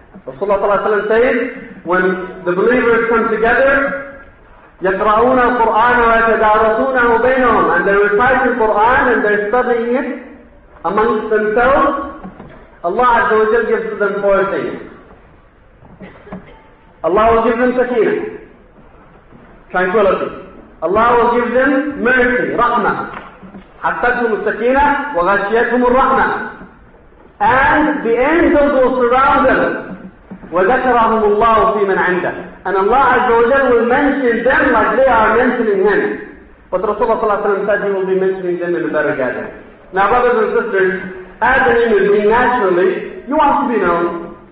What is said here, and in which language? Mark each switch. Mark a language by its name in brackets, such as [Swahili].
[English] Rasulullah صلى الله عليه وسلم says, when the believers come together, [Arabic] يقرؤون القرآن ويتدارسونه بينهم, [English] and they recite the Quran and they're studying it amongst themselves. Allah Azza wa Jalla gives them four things. Allah will give them sakina, tranquility. Allah will give them mercy, rahmah. [Arabic] حفتهم السكينة وغشيتهم الرحمة. [English] And the angels will surround them. [Arabic] وذكرهم الله في من عنده. [English] And Allah Azza wa Jalla will mention them like they are mentioning him. But Rasulullah said he will be mentioning them in a better gathering. Now, brothers and sisters, as an human being, naturally, you want to be known.